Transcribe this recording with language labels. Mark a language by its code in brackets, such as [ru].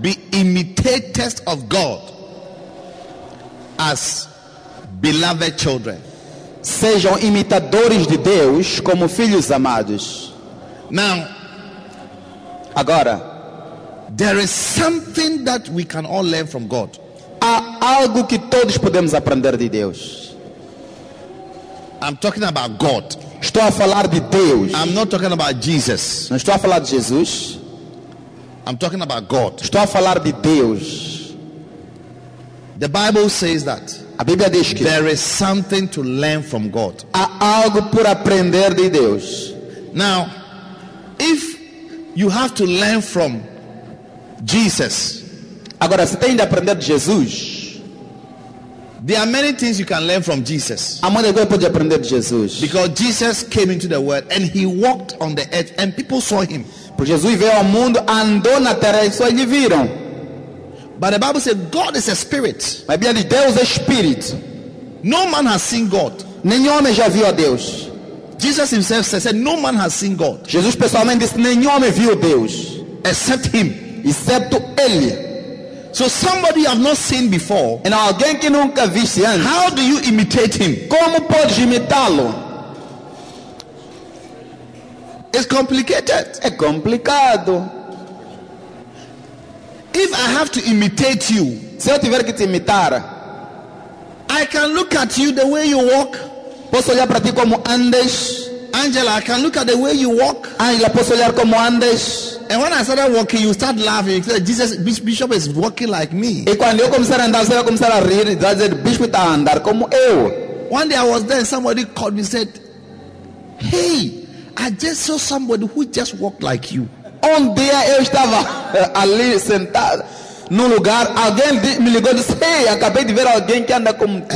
[en] Be imitators of God as beloved children. [pt] Sejam imitadores de Deus como filhos amados. [en] Now, [pt] agora, [en] there is something that we can all learn from God. [pt] Há algo que todos podemos aprender de Deus. [en] I'm talking about God. [pt] Estou a falar de Deus. [en] I'm not talking about Jesus. [pt] Não estou a falar de Jesus. [en] I'm talking about God. [pt] Estou a falar de Deus. [en] The Bible says that. [pt] A Bíblia diz que [en] there is something to learn from God. [pt] Há algo por aprender de Deus. [en] Now, if you have to learn from Jesus, [pt] agora você tem de aprender de Jesus. [en] There are many things you can learn from Jesus. [pt] Há muitas coisas pode aprender de Jesus. [en] Because Jesus came into the world and he walked on the earth and people saw him. [pt] Porque Jesus veio ao mundo, andou na terra e só lhe viram. [en] But the Bible says God is a spirit. [pt] A Bíblia diz Deus é espírito. [en] No man has seen God. [pt] Nenhum homem já viu a Deus. [en] Jesus himself said no man has seen God. [pt] Jesus pessoalmente disse nenhum homem viu Deus, [en] except him, [pt] excepto ele. [en] So somebody have not seen before. [pt] E alguém que nunca viu antes. [en] How do you imitate him? [pt] Como pode imitá-lo? [en] It's complicated. [pt] É complicado. [en] If If I have to imitate you, [pt] se eu tiver que te imitar, [en] I can look at you the way you walk. [pt] Posso olhar para ti como andes. [en] Angela, I can look at the way you walk. [pt] Angela, posso olhar como andes. [en] And when I started walking, you start laughing. You said, Jesus, Bishop is walking like me. [pt] E quando eu comecei a andar, você começou a rir. Você diz, Bishop está andando como eu. [en] One day I was there and somebody called me and said, hey, I just saw somebody who just walked like you. [pt] Um dia eu estava ali sentado num lugar, alguém me ligou e disse, hey, acabei de ver alguém que anda como tu.